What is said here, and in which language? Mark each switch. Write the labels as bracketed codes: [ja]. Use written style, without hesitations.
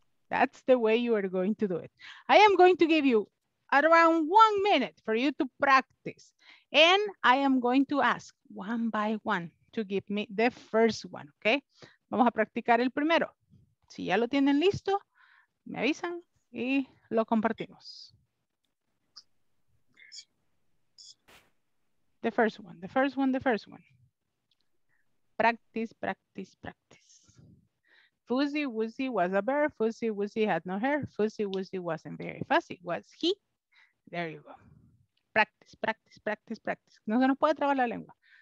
[en] That's the way you are going to do it. I am going to give you around 1 minute for you to practice. And I am going to ask one by one to give me the first one, okay? [es] Vamos a practicar el primero. Si ya lo tienen listo, me avisan y lo compartimos. [en] The first one, the first one, the first one. Practice, practice, practice. Fuzzy Woozy was a bear. Fuzzy Woozy had no hair. Fuzzy Woozy wasn't very fussy, was he? There you go. Practice, practice, practice, practice. [es] No se nos puede trabar la lengua.